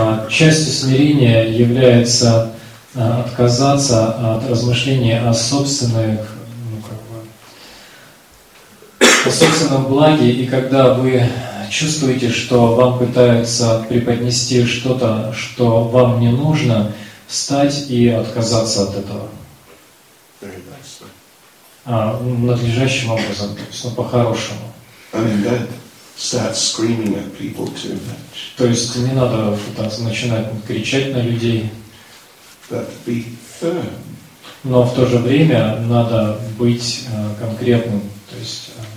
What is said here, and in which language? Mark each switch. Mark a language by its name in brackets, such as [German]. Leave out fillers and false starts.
[Russian] Частью смирения является отказаться от размышления о собственных о собственном благе, и когда вы чувствуете, что вам пытаются преподнести что-то, что вам не нужно, встать и отказаться от этого. [English] Very nice. [Russian] Надлежащим образом, то есть, по-хорошему. [English] I mean, don't start screaming at people too much. [Russian] То есть не надо начинать кричать на людей. [English] but be firm. [Russian] Но в то же время надо быть конкретным, то есть